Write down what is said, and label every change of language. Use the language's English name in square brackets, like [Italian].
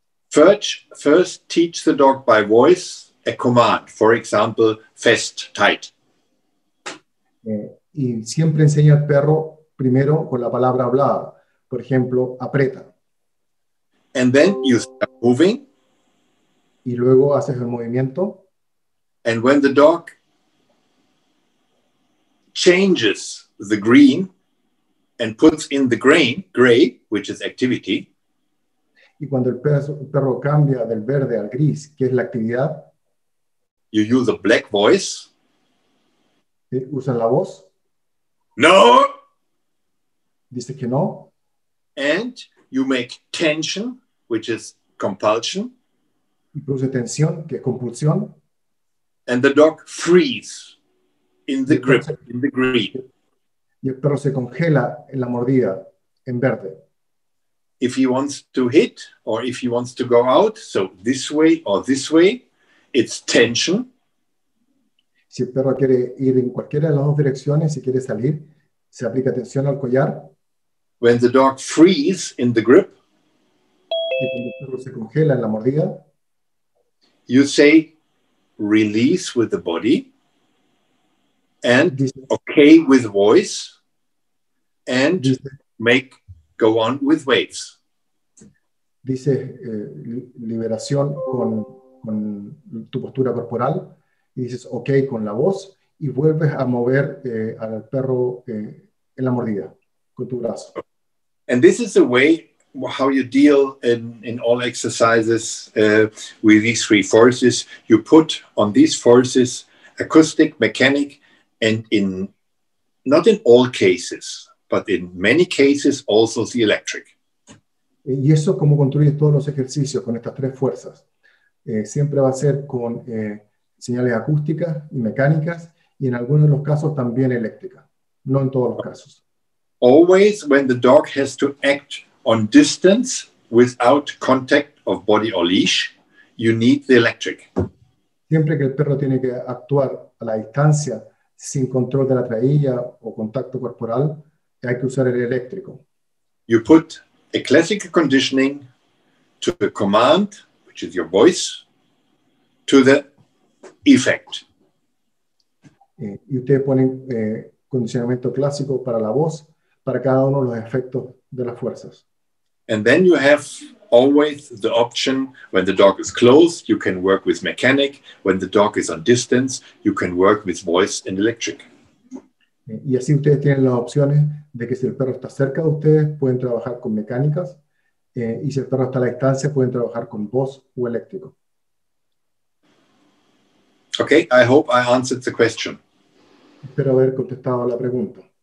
[English] First teach the dog by voice a command. For example, fast, tight. [Spanish] Y siempre enseña al perro primero con la palabra hablada. Por ejemplo, aprieta. [English] And then you start moving. [Spanish] Y luego haces el movimiento. [English] And when the dog changes the green and puts in the gray, which is activity. [Spanish] Y cuando el perro cambia del verde al gris, que es la actividad. [English] You use a black voice. [Spanish] Usan la voz. [English] No. [Spanish] Dice que no. [English] And you make tension, which is compulsion. [Spanish] Y produce tensión, que es compulsión. [English] And the dog freeze in the grip, in the green. [Spanish] Y el perro se congela en la mordida, en verde. [English] If he wants to hit, or if he wants to go out, so this way or this way, it's tension. [Spanish] Si el perro quiere ir en cualquiera de las dos direcciones, si quiere salir, se aplica tensión al collar. [English] When the dog freeze in the grip, [Spanish] y cuando el perro se congela en la mordida, [English] you say, release with the body and okay with voice and make go on with waves. [Spanish] Dice liberación con tu postura corporal y dices okay con la voz y vuelves a mover al perro en la mordida con tu brazo. [English] And this is the way how you deal in all exercises with these three forces. You put on these forces acoustic, mechanic, and not in all cases, but in many cases also the electric. [Spanish] Y eso como construyes todos los ejercicios con estas tres fuerzas. Siempre va a ser con señales acústicas y mecánicas, y en algunos de los casos también eléctrica. No en todos los casos. [English] Always when the dog has to act on distance without contact of body or leash, you need the electric. [Spanish] Siempre que el perro tiene que actuar a la distancia sin control de la trailla o contacto corporal, hay que usar el eléctrico. [English] You put a classical conditioning to the command, which is your voice, to the effect. [Spanish] Y ustedes ponen condicionamiento clásico para la voz, para cada uno de los efectos de las fuerzas. [English] And then you have always the option when the dog is close, you can work with mechanic. When the dog is on distance, you can work with voice and electric. [Spanish] Y así ustedes tienen las opciones de que si el perro está cerca de ustedes, pueden trabajar con mecánicas. Y si el perro está a la distancia, pueden trabajar con voz o eléctrico. [English] Okay, I hope I answered the question. [Spanish] Espero haber contestado la pregunta.